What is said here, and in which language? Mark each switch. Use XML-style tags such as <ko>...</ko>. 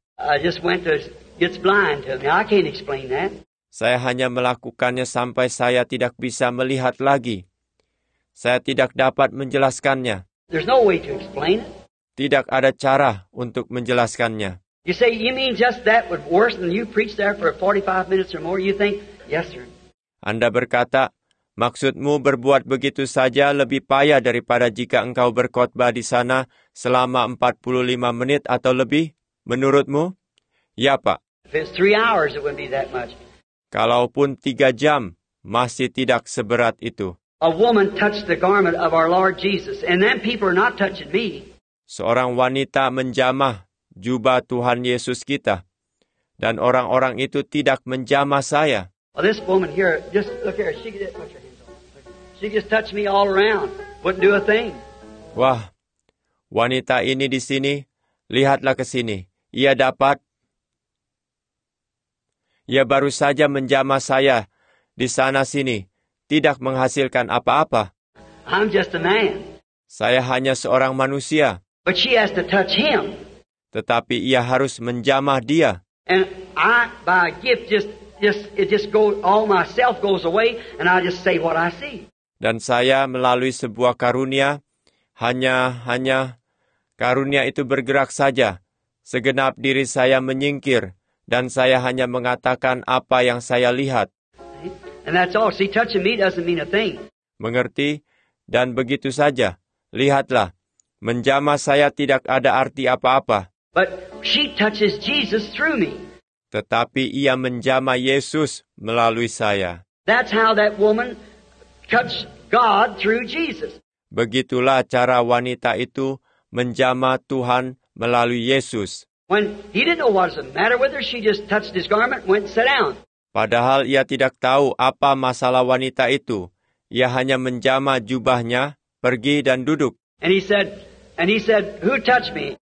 <en>I just went to, it's blind to me. I can't explain that.</en> <id>Saya hanya melakukannya sampai saya tidak bisa melihat lagi. Saya tidak dapat menjelaskannya.</id> <en>There's no way to explain it.</en> <id>Tidak ada cara untuk menjelaskannya.</id> <en>You say you mean just that would worse than you preach there for 45 minutes or more? You think, yes sir.</en> <id>Anda berkata, maksudmu berbuat begitu saja lebih payah daripada jika engkau berkhotbah di sana selama 45 menit atau lebih? Menurutmu? Ya, Pak.</id> <en>If it's 3 hours, it wouldn't be that much.</en> <id>Kalaupun 3 jam, masih tidak seberat itu.</id> <en>A woman touched the garment of our Lord Jesus, and then people are not touching me.</en> <id>Seorang wanita menjamah jubah Tuhan Yesus kita. Dan orang-orang itu tidak menjamah saya.</id> <en>Well, this woman here, just look here. She just put your hands on. She just touched me all around. Wouldn't do a thing.</en> <id>Wah, wanita ini di sini, lihatlah ke sini. Ia dapat. Ia baru saja menjamah saya di sana-sini. Tidak menghasilkan apa-apa.</id> <en>I'm just a man.</en> <id>Saya hanya seorang manusia.</id> <en>But she has to touch him.</en> <id>Tetapi ia harus menjamah dia.</id> <en>And I, by gift, just goes, all myself goes away, and I just say what I see.</en> <id>Dan saya melalui sebuah karunia, hanya karunia itu bergerak saja. Segenap diri saya menyingkir, dan saya hanya mengatakan apa yang saya lihat.</id> <en>And that's all. See, touching me doesn't mean a thing.</en> <id>Mengerti? Dan begitu saja. Lihatlah. Menjamah saya tidak ada arti apa-apa.</id> <en>But she touches Jesus through me.</en> <id>Tetapi ia menjamah Yesus melalui saya.</id> <en>That's how that woman touched God through Jesus.</en> <id>Begitulah cara wanita itu menjamah Tuhan melalui Yesus.</id> <en>When he didn't know what was the matter with her, she just touched his garment and went and sat down.</en> <id>Padahal ia tidak tahu apa masalah wanita itu. Ia hanya menjamah jubahnya, pergi dan duduk.</id> <en>And he said, "Who touched me?"</en>